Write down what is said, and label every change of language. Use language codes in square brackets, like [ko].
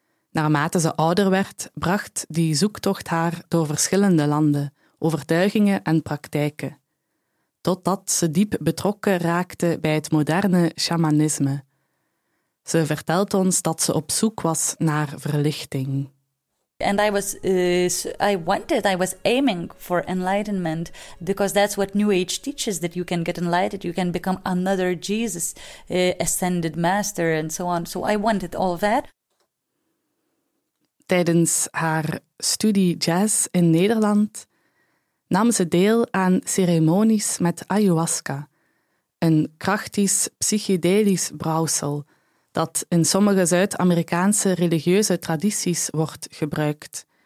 [nl] Naarmate ze ouder werd, bracht die zoektocht haar door verschillende landen, overtuigingen en praktijken. Totdat ze diep betrokken raakte bij het moderne shamanisme. Ze vertelt ons dat ze op zoek was naar verlichting. [en] And I was aiming for enlightenment, because that's what New Age teaches, that you can get enlightened, you can become another Jesus, ascended master and so on. So I wanted all of that. [nl] Tijdens haar studie jazz in Nederland nam ze deel aan ceremonies met ayahuasca, een krachtig psychedelisch brouwsel dat in sommige Zuid-Amerikaanse religieuze tradities wordt gebruikt.